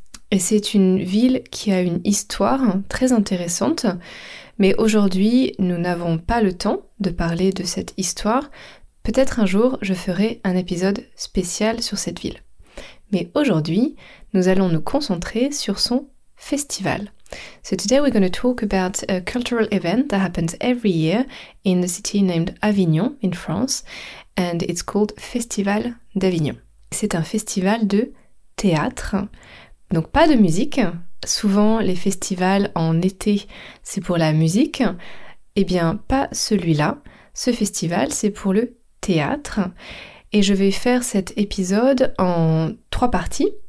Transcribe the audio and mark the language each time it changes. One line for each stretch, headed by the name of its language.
French: et c'est une ville qui a une histoire très intéressante, mais aujourd'hui nous n'avons pas le temps de parler de cette histoire. Peut-être un jour, je ferai un épisode spécial sur cette ville. Mais aujourd'hui, nous allons nous concentrer sur son festival.
English: So today we're going to talk about a cultural event that happens every year in the city named Avignon in France, and it's called Festival d'Avignon.
French: C'est un festival de théâtre, donc pas de musique. Souvent, les festivals en été, c'est pour la musique. Eh bien, pas celui-là. Ce festival, c'est pour le théâtre, et je vais faire cet épisode en trois parties.